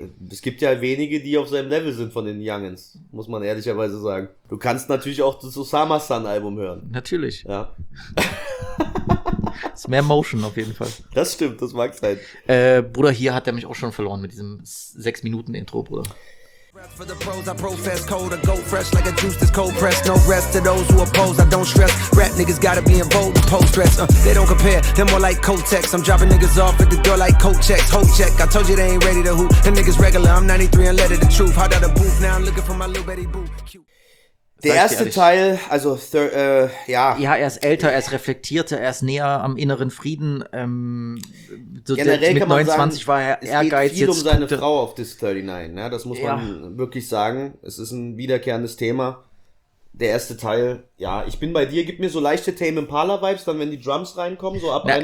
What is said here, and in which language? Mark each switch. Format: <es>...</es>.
<de>Es gibt ja wenige, die auf seinem Level sind von den Youngins, muss man ehrlicherweise sagen. Du kannst natürlich auch das Osama-Sun-Album hören. Natürlich. Ja. Das ist mehr Motion auf jeden Fall. Das stimmt, das mag sein. Bruder, hier hat er mich auch schon verloren mit diesem 6-Minuten-Intro, Bruder.</de> <en>For the pros, I profess cold, I go fresh like a juice that's cold pressed. No rest to those who oppose, I don't stress. Rap niggas gotta be involved in post-stress. They don't compare, they're more like Kotex. I'm dropping niggas off at the door like coat checks. Ho check, I told you they ain't ready to hoop. The niggas regular, I'm 93 and let it the truth. Hot out of booth, now I'm looking for my little Betty Boop.</en> <de>Der erste Teil, also ja, er ist älter, er ist reflektierter, er ist näher am inneren Frieden. So generell mit kann man 29 sagen, war er ehrgeizig. Es geht viel um seine Frau auf Disc 39, ne? Das muss man wirklich sagen. Es ist ein wiederkehrendes Thema. Der erste Teil, ja, ich bin bei dir, gib mir so leichte Tame Impala-Vibes, dann wenn die Drums reinkommen, so ab einem</de>